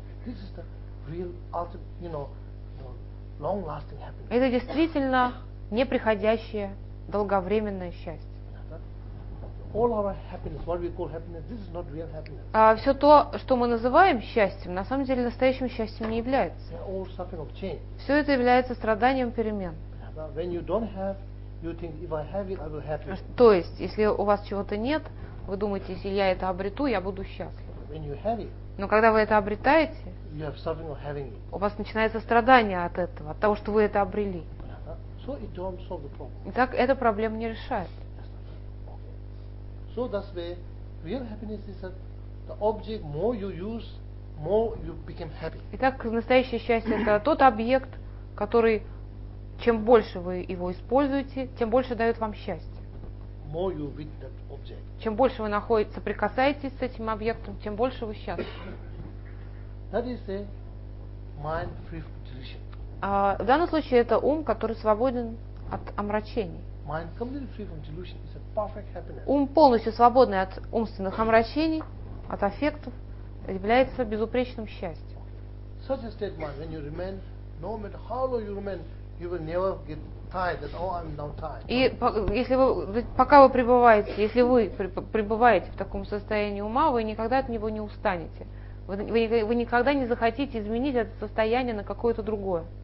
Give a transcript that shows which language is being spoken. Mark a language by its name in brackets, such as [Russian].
[English] This is the real ultimate, you know, long lasting happiness. [Russian] Это действительно неприходящее долговременное счастье. [English] All our happiness, what we call happiness, this is not real happiness. [Russian] Все то, что мы называем счастьем, на самом деле настоящим счастьем не является. [English] All suffering of change. [Russian] Все это является страданием перемен. [English] When you don't have, you think if I have it, I will happy. [Russian] То есть, если у вас чего-то нет, вы думаете, если я это обрету, я буду счастлив. [English] When you have it. [Russian] Но когда вы это обретаете, [English] you have suffering of having it. [Russian] У вас начинается страдание от этого, от того, что вы это обрели. [English] So it don't solve the problem. [Russian] Итак, эта проблема не решает. [English] So that's where real happiness is that the object more you use, more you become happy. [Russian] Итак, настоящее счастье это тот объект, который чем больше вы его используете, тем больше дает вам счастье. [English] More you with that object. [Russian] Чем больше вы находитесь, соприкасаетесь с этим объектом, тем больше вы счастливы. [English] That is a mind free from delusion. [Russian] В данном случае это ум, который свободен от омрачений. [English] Mind completely free from delusion is a perfect happiness. [Russian] Ум полностью свободный от умственных омрачений, от аффектов, является безупречным счастьем. [English] Such a state of mind, when you remain, no matter how long you remain, you will never get tired. That oh, I'm now tired. [Russian] И если вы пока вы пребываете, если вы пребываете в таком состоянии ума, вы никогда от него не устанете. вы никогда не захотите изменить это состояние на какое-то другое.